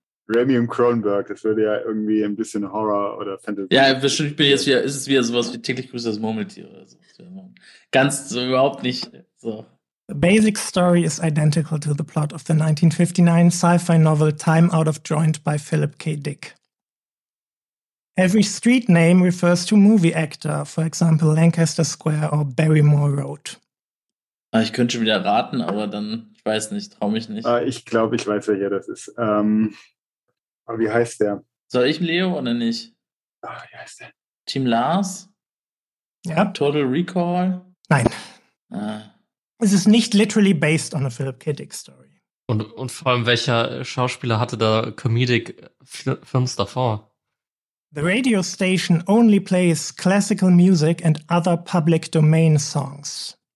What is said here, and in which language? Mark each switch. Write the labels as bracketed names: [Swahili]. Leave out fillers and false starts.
[German] Remy und Cronenberg, das würde ja irgendwie ein bisschen Horror oder Fantasy. Ja, bestimmt bin ich jetzt wieder, ist es wieder sowas wie täglich grüßt das Murmeltier oder so. Ganz so überhaupt nicht so. [English] The basic story is identical to the plot of the 1959 sci-fi novel Time Out of Joint by Philip K. Dick. Every street name refers to movie actor, for example Lancaster Square or Barrymore Road. [German] Ich könnte schon wieder raten, aber dann, ich weiß nicht, trau mich nicht. Ich glaube, ich weiß, welcher das ist. Aber wie heißt der? Soll ich Leo oder nicht? Ach, wie heißt der? Team Lars? Ja. Total Recall? Nein. Ah. Es ist nicht [English] literally based on a Philip K. Dick Story. [German] Und vor allem, welcher Schauspieler hatte da [English] Comedic Films [German] davor? The radio station only plays classical music and other public domain songs.